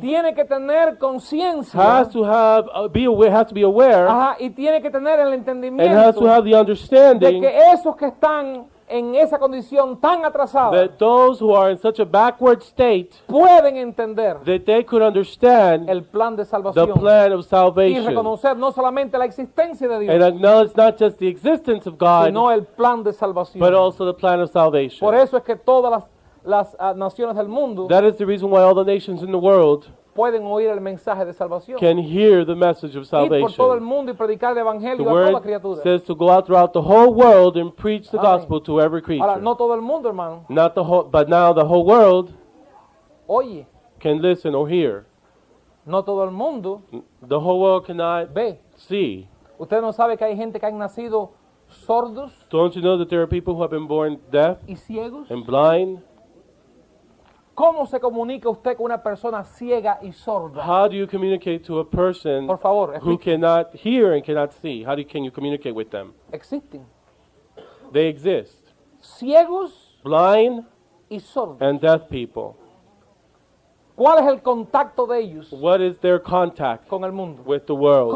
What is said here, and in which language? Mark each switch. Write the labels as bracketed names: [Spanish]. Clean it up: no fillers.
[Spanish] tiene que tener conciencia [English] has to have be aware has to be aware [Spanish] ajá, y tiene que tener el entendimiento [English] and has to have the understanding [Spanish] de que esos que están en esa condición tan atrasada, [English] that those who are in such a backward state [Spanish] pueden entender, [English] that they could understand [Spanish] el plan de salvación, [English] the plan of salvation, [Spanish] y reconocer no solamente la existencia de Dios, [English] and acknowledge not just the existence of God, [Spanish] sino el plan de salvación, [English] but also the plan of salvation. [Spanish] Por eso es que todas las naciones del mundo, [English] that is the reason why all the nations in the world [Spanish] pueden oír el mensaje de salvación. [English] Can hear the message of salvation. [Spanish] Ir por todo el mundo y predicar el evangelio a toda criatura. [English] The word says to go out throughout the whole world and preach the gospel to every creature. [Spanish] Ahora, no todo el mundo, hermano. [English] Not the whole, but now the whole world. [Spanish] Oye. [English] Can listen or hear. [Spanish] No todo el mundo. [English] The whole world cannot [Spanish] ve. [English] See. [Spanish] Usted no sabe que hay gente que han nacido sordos. [English] Don't you know that there are people who have been born deaf [Spanish] y ciegos [English] and blind? [Spanish] ¿Cómo se comunica usted con una persona ciega y sorda? [English] How do you communicate to a person, [Spanish] por favor, [English] who cannot hear and cannot see? How do you, can you communicate with them? [Spanish] Existen. [English] They exist. [Spanish] Ciegos, [English] blind, [Spanish] y sordos, [English] and deaf people. [Spanish] ¿Cuál es el contacto de ellos? [English] What is their contact [Spanish] con el mundo? [English] With the world.